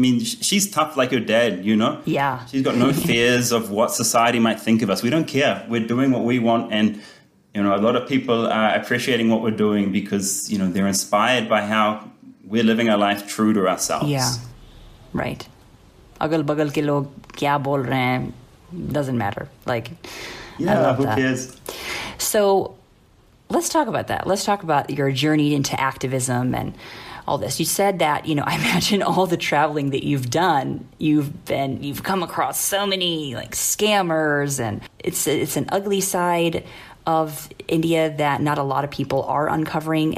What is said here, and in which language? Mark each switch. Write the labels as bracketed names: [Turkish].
[English] She's tough like your dad, you know? Yeah. She's got no fears of what society might think of us. We don't care. We're doing what we want and... You know, a lot of people are appreciating what we're doing because, you know, they're inspired by how we're living our life true to ourselves. Yeah, right. [Hindi] अगल बगल के लोग क्या बोल रहे हैं, [English] doesn't matter. [Hindi] Like, [English] yeah, who cares? So let's talk about that. Let's talk about your journey into activism and all this. You said that, you know, I imagine all the traveling that you've done, you've come across so many like scammers, and it's an ugly side of India that not a lot of people are uncovering.